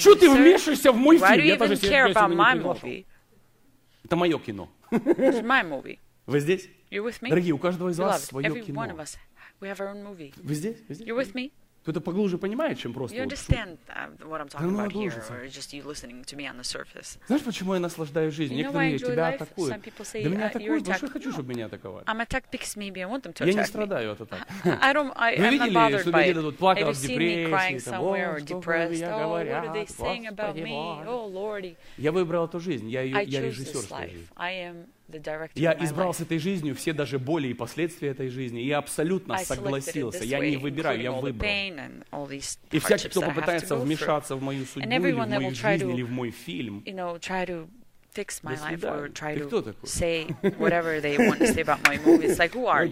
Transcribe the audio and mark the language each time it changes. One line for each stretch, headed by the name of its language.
Russian: Что ты вмешиваешься в мой фильм? Я даже себе не приглашал. Это мое кино. Вы здесь? Дорогие, у каждого из вас свое кино. Вы здесь?
English: You're with me?
Russian: Кто-то поглубже понимает, чем просто.
English: You understand what I'm talking about here, or just you listening to me on the surface.
Russian: Знаешь, почему я наслаждаюсь жизнью? Некоторые тебя атакуют. Да меня атакуют, потому что я хочу, чтобы меня атаковали.
English: I'm attacked because maybe I want them to attack me.
Russian: Я не страдаю от атак.
English: I don't.
Russian: Вы видели, что люди тут вот плакали в депрессии?
English: Have you seen me crying somewhere or depressed? Oh, what are they saying about me? Oh, Lordy.
Russian: Я выбрал эту жизнь. Я режиссер своей жизни. Я избрал с этой жизнью все даже боли и последствия этой жизни. Я абсолютно согласился. Я не выбираю, я выбрал. И всякий, кто попытается вмешаться в мою судьбу, или в мою жизнь, или в мой фильм, ты кто такой?